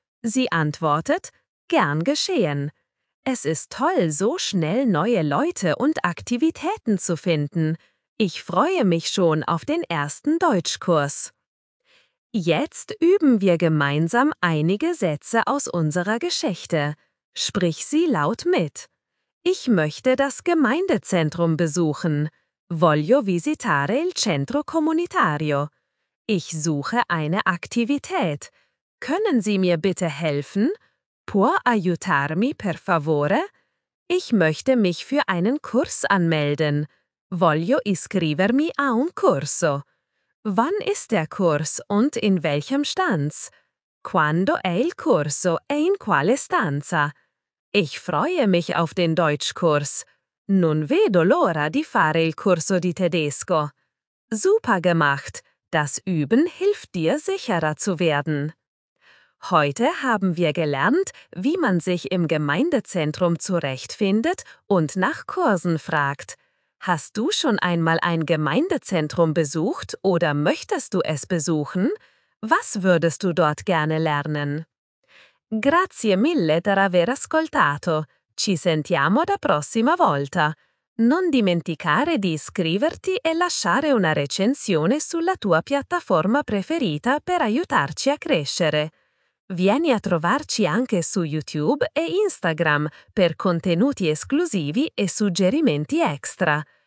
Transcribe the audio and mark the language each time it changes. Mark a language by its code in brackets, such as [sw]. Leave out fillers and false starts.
[de] Sie antwortet: Gern geschehen. Es ist toll, so schnell neue Leute und Aktivitäten zu finden. Ich freue mich schon auf den ersten Deutschkurs. Jetzt üben wir gemeinsam einige Sätze aus unserer Geschichte. Sprich sie laut mit. Ich möchte das Gemeindezentrum besuchen. [it] Voglio visitare il centro comunitario. [de] Ich suche eine Aktivität. Können Sie mir bitte helfen? [it] Può aiutarmi per favore? [de] Ich möchte mich für einen Kurs anmelden. [it] Voglio iscrivermi a un corso. [de] Wann ist der Kurs und in welchem Stanz? [it] Quando è il corso e in quale stanza? [de] Ich freue mich auf den Deutschkurs. [it] Non vedo l'ora di fare il corso di tedesco. [de] Super gemacht! Das Üben hilft dir, sicherer zu werden. Heute haben wir gelernt, wie man sich im Gemeindezentrum zurechtfindet und nach Kursen fragt. Hast du schon einmal ein Gemeindezentrum besucht oder möchtest du es besuchen? Was würdest du dort gerne lernen? [it] Grazie mille per aver ascoltato. Ci sentiamo la prossima volta. Non dimenticare di iscriverti e lasciare una recensione sulla tua piattaforma preferita per aiutarci a crescere. Vieni a trovarci anche su YouTube e Instagram per contenuti esclusivi e suggerimenti extra.